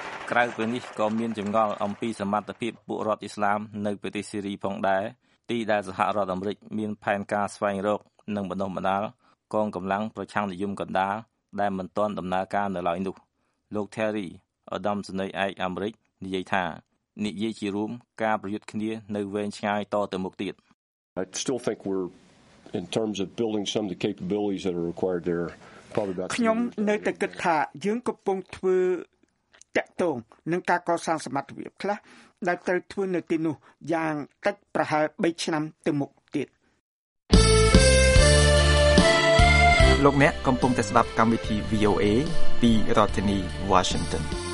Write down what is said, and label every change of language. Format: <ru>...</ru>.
<km>ក្រៅពីនេះក៏មានចម្ងល់អំពីសមត្ថភាពពួករដ្ឋអ៊ីស្លាមនៅប្រទេសស៊ីរីផងដែរទីដែលសហរដ្ឋអាមេរិកមានផែនការស្វែងរកនិងបណ្ដុះបណ្ដាលកងកម្លាំងប្រឆាំងនិយមកណ្ដាលដែលមិនទាន់ដំណើរការនៅឡើយនោះលោក Terry Adams នៃឯកអាមេរិកនិយាយថានិយាយជារួមការប្រយុទ្ធគ្នានៅវែងឆ្ងាយតទៅមុខទៀត</km> <en>I still think we're in terms of building some of the capabilities that are required there probably about</en> <km>ខ្ញុំនៅតែគិតថាយើងកំពុងធ្វើតាក់ទងនឹងការកសាងសមត្ថភាពខ្លះដែលត្រូវធ្វើនៅទីនោះយ៉ាងតិចប្រហែល3ឆ្នាំទៅមុខទៀត លោកអ្នកកំពុងតែស្ដាប់កម្មវិធី VOA ពីរដ្ឋធានី Washington</km>